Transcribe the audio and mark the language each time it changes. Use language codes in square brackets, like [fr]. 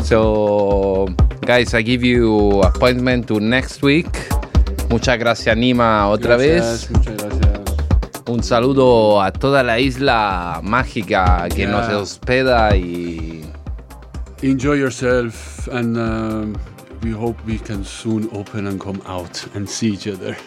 [en] So, guys, I give you appointment to next week. [es] Muchas gracias, Nima, otra vez. Muchas gracias. Un saludo a toda la isla mágica que nos hospeda y... [en] Enjoy yourself and we hope we can soon open and come out and see each other.